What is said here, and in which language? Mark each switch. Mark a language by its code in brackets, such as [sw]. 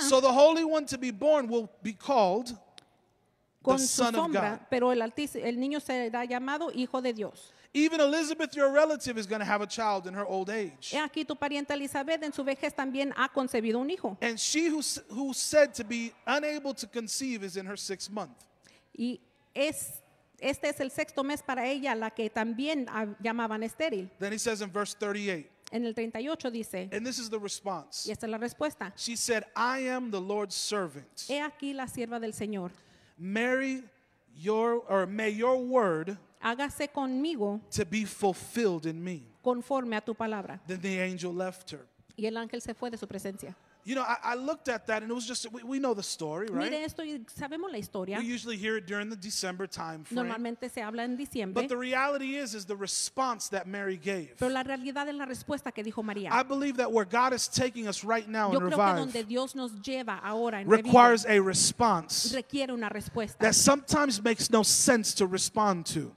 [en] So the Holy One to be born will be called the Son of God. [es] Pero el niño será llamado Hijo de Dios. [en] Even Elizabeth, your relative, is going to have a child in her old age. [es] Y aquí tu parienta Elizabeth en su vejez también ha concebido un hijo. [en] And she who said to be unable to conceive is in her sixth month. [es] Y este es el sexto mes para ella, la que también llamaban estéril. [en] Then he says in verse 38. [es] En el 38 dice. [en] And this is the response. [es] Y esta es la respuesta. [en] She said, "I am the Lord's servant." [es] He aquí la sierva del Señor. [en] Mary, may your word. [es] Hágase conmigo [en] to be fulfilled in me. [es] Conforme a tu palabra. [en] Then the angel left her. [es] Y el ángel se fue de su presencia. [en] You know, I looked at that and it was just, we know the story, right? [es] Mire esto y sabemos la historia. [en] We usually hear it during the December time frame. [es] Normalmente se habla en diciembre. [en] But the reality is the response that Mary gave. [es] Pero la realidad es la respuesta que dijo María. [en] I believe that where God is taking us right now in Revive. [es] Yo creo que donde Dios nos lleva ahora en Revive. [en] Requires a response. [es] Requiere una respuesta. [en] That sometimes makes no sense to respond to.